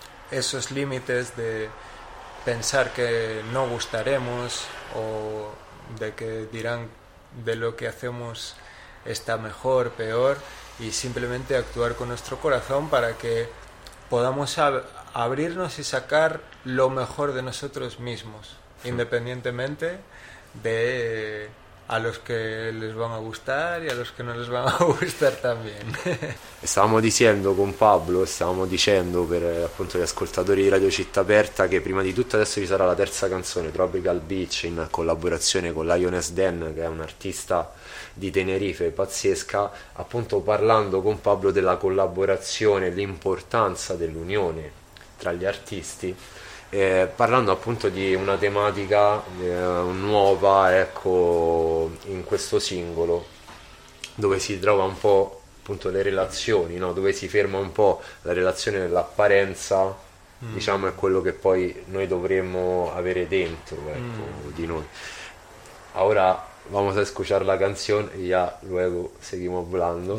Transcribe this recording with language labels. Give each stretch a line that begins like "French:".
Spanish: esos límites de pensar que no gustaremos o de que dirán de lo que hacemos está mejor, peor, y simplemente actuar con nuestro corazón para que podamos abrirnos y sacar lo mejor de nosotros mismos, independientemente de a los que les van a gustar y a los que no les van a gustar también.
Italian: Stavamo dicendo con Pablo, stavamo dicendo per appunto gli ascoltatori di Radio Città Aperta che prima di tutto adesso ci sarà la terza canzone, Tropical Beach, in collaborazione con Lioness Den, che è un'artista di Tenerife pazzesca, appunto parlando con Pablo della collaborazione, l'importanza dell'unione tra gli artisti. Parlando appunto di una tematica nuova, ecco, in questo singolo, dove si trova un po' appunto le relazioni, no? Dove si ferma un po' la relazione dell'apparenza, diciamo, è quello che poi noi dovremmo avere dentro, ecco, di noi.
Spanish: Ora vamos a escuchar la canzone, ya luego seguimos hablando.